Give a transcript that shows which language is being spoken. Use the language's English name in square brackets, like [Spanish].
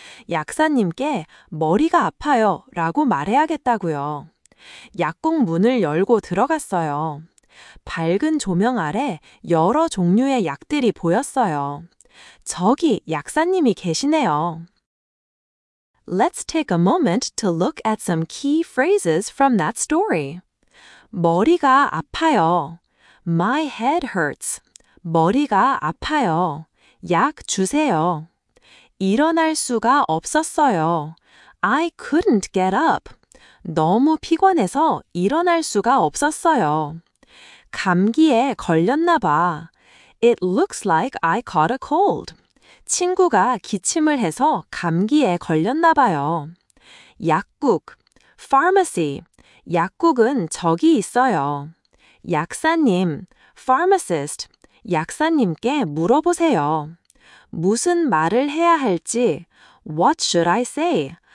[Korean] 약사님께 머리가 아파요 라고 말해야겠다고요. 약국 문을 열고 들어갔어요. 밝은 조명 아래 여러 종류의 약들이 보였어요. 저기 약사님이 계시네요. [English] Let's take a moment to look at some key phrases from that story. [Korean] 머리가 아파요. [English] My head hurts. [Korean] 머리가 아파요. 약 주세요. 일어날 수가 없었어요. [English] I couldn't get up. [Korean] 너무 피곤해서 일어날 수가 없었어요. 감기에 걸렸나 봐. [English] It looks like I caught a cold. [Korean] 친구가 기침을 해서 감기에 걸렸나 봐요. 약국, pharmacy. 약국은 저기 있어요. 약사님, pharmacist. 약사님께 물어보세요. 무슨 말을 해야 할지, [English] what should I say?